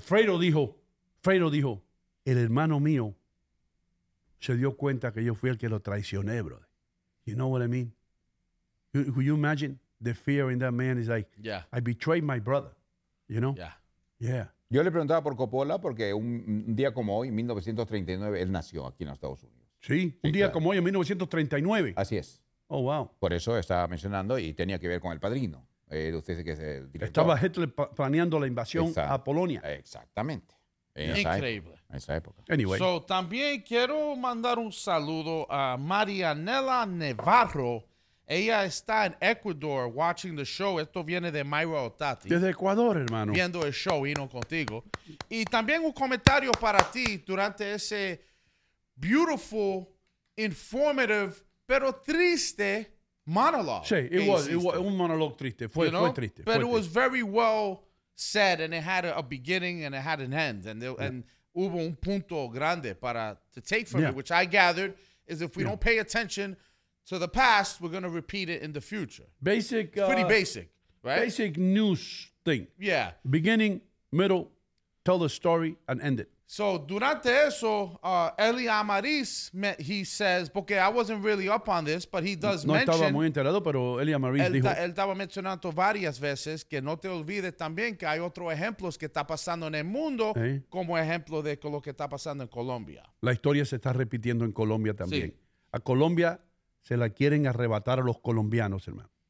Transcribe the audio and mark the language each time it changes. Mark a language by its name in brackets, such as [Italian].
[Spanish] Fredo dijo, el hermano mío se dio cuenta que yo fui el que lo traicioné, brother. [English] You know what I mean? Could you imagine the fear in that man? Is like, yeah. I betrayed my brother, you know? Yeah. Yeah. [Spanish] Yo le preguntaba por Coppola porque un día como hoy, en 1939, él nació aquí en los Estados Unidos. Sí, un día como hoy, en 1939. Así es. [English] Oh, wow. [Spanish] Por eso estaba mencionando y tenía que ver con El Padrino. Usted dice que es el director. Estaba Hitler planeando la invasión a Polonia. Exactamente. Increíble. En esa época. [English] Anyway. [Spanish] So, también quiero mandar un saludo a Marianela Navarro. Ella está en Ecuador [English] watching the show. [Spanish] Esto viene de Mayra Otati. Desde Ecuador, hermano. Viendo el show, vino contigo. Y también un comentario para ti durante ese [English] beautiful, informative, [Spanish] pero triste... [English] monologue. [Spanish] Sí, [English] it was [Spanish] un monologue triste. Fue triste. [English] But it was very well said, and it had a beginning, and it had an end. And [Spanish] hubo un punto grande para [English] to take from it, which I gathered is if we don't pay attention to the past, we're going to repeat it in the future. Basic. It's pretty basic, right? Basic news thing. Yeah. Beginning, middle, tell the story, and end it. So, [Spanish] durante eso, [English] Eli Amariz, he says, porque I wasn't really up on this, but he does [Spanish] mention... No estaba muy enterado, pero Eli Amariz dijo... Él estaba mencionando varias veces que no te olvides también que hay otros ejemplos que está pasando en el mundo como ejemplo de lo que está pasando en Colombia. La historia se está repitiendo en Colombia también. Sí. A Colombia se la quieren arrebatar a los colombianos, hermano.